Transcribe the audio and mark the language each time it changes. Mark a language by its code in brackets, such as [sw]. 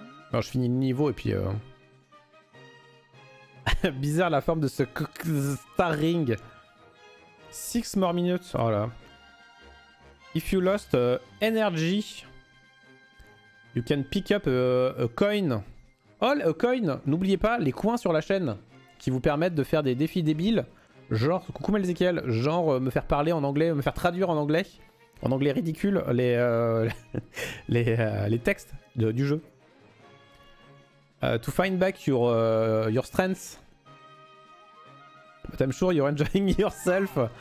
[fr] Alors je finis le niveau et puis bizarre la forme de ce Star Ring. [en] 6 more minutes, oh là. If you lost energy, you can pick up a coin. Oh, a coin, [fr] n'oubliez pas les coins sur la chaîne qui vous permettent de faire des défis débiles. Genre, coucou Melzekiel, genre me faire parler en anglais, me faire traduire en anglais. En anglais ridicule, les textes du jeu. [en] To find back your strengths. But I'm sure you're enjoying yourself.